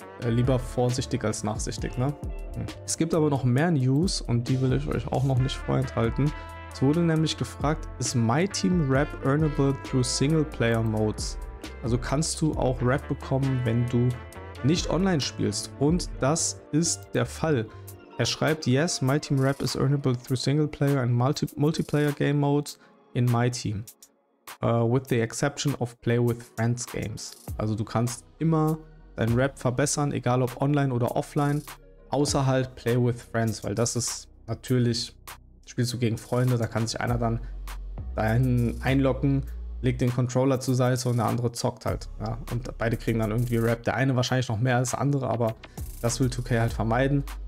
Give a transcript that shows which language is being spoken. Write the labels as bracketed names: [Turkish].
[German] Lieber vorsichtig als nachsichtig, ne? Es gibt aber noch mehr News und die will ich euch auch noch nicht vorenthalten. Es wurde nämlich gefragt, ist My Team Rap [English] earnable through Singleplayer Modes? [German] Also kannst du auch Rap bekommen, wenn du nicht online spielst, und das ist der Fall. Er schreibt: [English] Yes, My Team Rap is earnable through single player and multiplayer game modes in My Team, with the exception of play with friends games. [German] Also du kannst immer dein Rap verbessern, egal ob online oder offline, außer halt play with friends, weil das ist natürlich, spielst du gegen Freunde, da kann sich einer dann einloggen, legt den Controller zur Seite und der andere zockt halt. Ja. Und beide kriegen dann irgendwie Rap. Der eine wahrscheinlich noch mehr als der andere, aber das will 2K halt vermeiden.